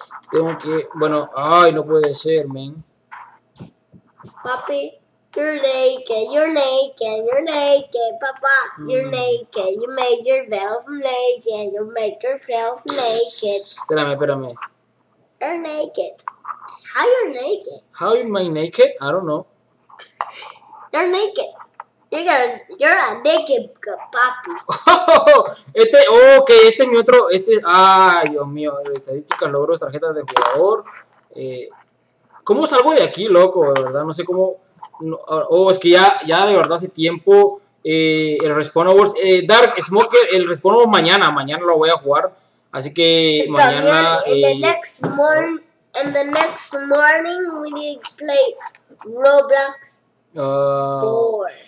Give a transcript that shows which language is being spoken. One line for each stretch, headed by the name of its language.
Spanish: Tengo que, bueno, ay, no puede ser, men.
English: Papi, you're naked, papá, you're naked, you made yourself naked, you make yourself naked.
Spanish: Espérame.
English: You're naked. How you're naked? How am I naked? I don't know. You're naked. You're a naked papi.
Spanish: Este es mi otro. Ay, Dios mío. Estadística, logros, tarjetas de jugador. ¿Cómo salgo de aquí, loco? De verdad, no sé cómo. Es que ya de verdad hace tiempo. El Respawn Awards. Dark Smoker, el Respawn Awards mañana. Mañana lo voy a jugar. Así que mañana.
English: In the next morning, we need to play Roblox 4.